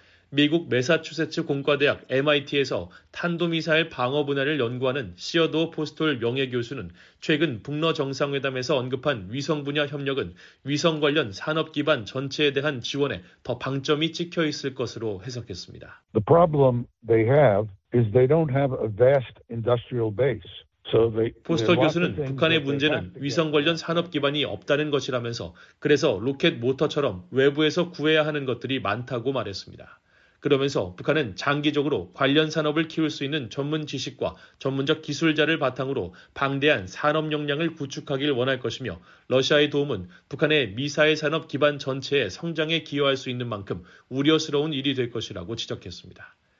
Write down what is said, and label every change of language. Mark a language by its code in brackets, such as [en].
[ko] 미국 매사추세츠 공과대학 MIT에서 탄도미사일 방어 분야를 연구하는 시어도어 포스톨 명예교수는 최근 북러 정상회담에서 언급한 위성 분야 협력은 위성 관련 산업 기반 전체에 대한 지원에 더 방점이 찍혀 있을 것으로 해석했습니다. [en] The problem they have is they don't have a vast industrial base. [ko] 포스터 교수는 북한의 문제는 위성 관련 산업 기반이 없다는 것이라면서 그래서 로켓 모터처럼 외부에서 구해야 하는 것들이 많다고 말했습니다. 그러면서 북한은 장기적으로 관련 산업을 키울 수 있는 전문 지식과 전문적 기술자를 바탕으로 방대한 산업 역량을 구축하길 원할 것이며 러시아의 도움은 북한의 미사일 산업 기반 전체의 성장에 기여할 수 있는 만큼 우려스러운 일이 될 것이라고 지적했습니다.